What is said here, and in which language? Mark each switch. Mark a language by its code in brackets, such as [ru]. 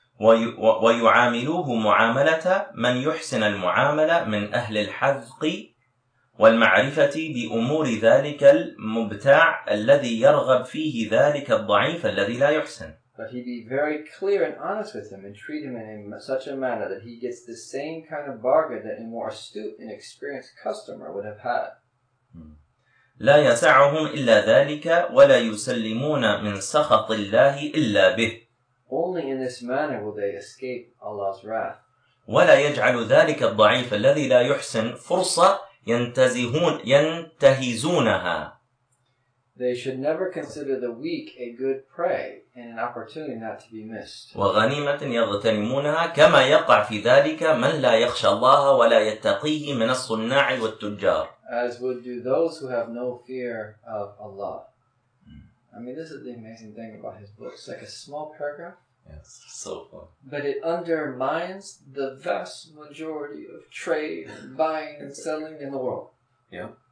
[ar] وَيُعَامِلُوهُ مُعَامَلَةَ مَنْ يُحْسِنَ الْمُعَامَلَ مِنْ أَهْلِ الْحَذْقِ وَالْمَعْرِفَةِ بِأُمُورِ ذَلِكَ الْمُبْتَاعِ الَّذِي يَرْغَبْ فِيهِ ذَلِكَ الضَّعِيفَ الَّذِي لَا يُحْسِنَ. [en] But he be very clear and honest with him and treat him in such a manner that he gets the same kind of bargain that a more astute and experienced customer would have had. [ar] لا يسعهم إلا ذلك ولا يسلمون من سخط الله إلا به. [en] Only in this manner will they escape Allah's wrath. [ar] ولا يجعل ذلك الضعيف الذي لا يحسن فرصة ينتهزونها. [en] They should never consider the weak a good prey and an opportunity not to be missed. [ar] وغنيمة يغتنمونها كما يقع في ذلك من لا يخشى الله ولا يتقيه من الصناع والتجار. [en] As would do those who have no fear of Allah. I mean, this is the amazing thing about his book. It's like a small paragraph. Yes, so fun. But it undermines the vast majority of trade, buying and selling in the world. Yeah.